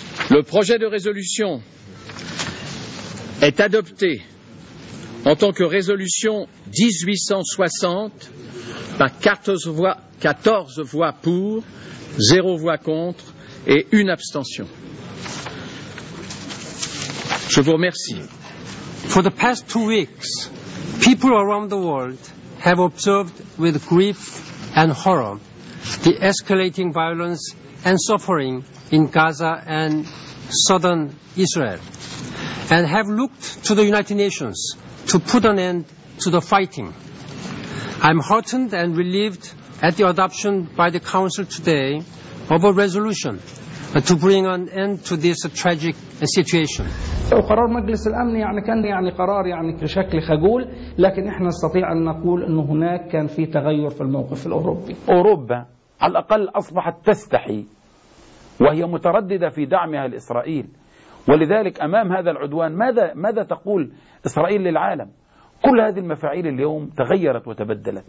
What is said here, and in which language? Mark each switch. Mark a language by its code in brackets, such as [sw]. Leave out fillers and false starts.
[fr] Le projet de résolution est adopté en tant que résolution 1860 par 14 voix pour, 0 voix contre et 1 abstention. Je vous remercie. [en] For the past 2 weeks, people around the world have observed with grief and horror the escalating violence and suffering in Gaza and southern Israel, and have looked to the United Nations to put an end to the fighting. I'm heartened and relieved at the adoption by the Council today of a resolution to bring an end to this tragic situation. [ar] قرار مجلس الأمن يعني كان يعني قرار يعني بشكل خجول, لكن احنا نستطيع ان نقول انه هناك كان في تغير في الموقف الاوروبي. اوروبا على الاقل اصبحت تستحي وهي مترددة في دعمها لإسرائيل. ولذلك أمام هذا العدوان ماذا تقول إسرائيل للعالم؟ كل هذه المفاعيل اليوم تغيرت وتبدلت.